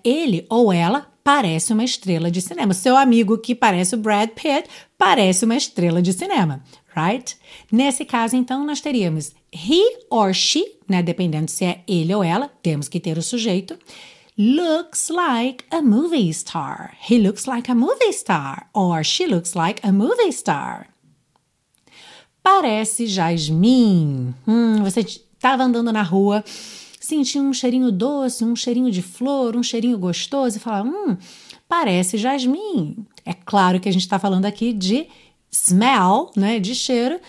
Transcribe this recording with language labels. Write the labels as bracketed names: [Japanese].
[Portuguese] Ele ou ela parece uma estrela de cinema. Seu amigo, que parece o Brad Pitt, parece uma estrela de cinema, right? Nesse caso, então, nós teríamos [English] he or she, [Portuguese] né? Dependendo se é ele ou ela, temos que ter o sujeito. [English] Looks like a movie star. He looks like a movie star. Or she looks like a movie star. [Portuguese] Parece jasmim. Você estava andando na rua, sentiu um cheirinho doce, um cheirinho de flor, um cheirinho gostoso e fala, parece jasmim. É claro que a gente está falando aqui de smell, né, de cheiro.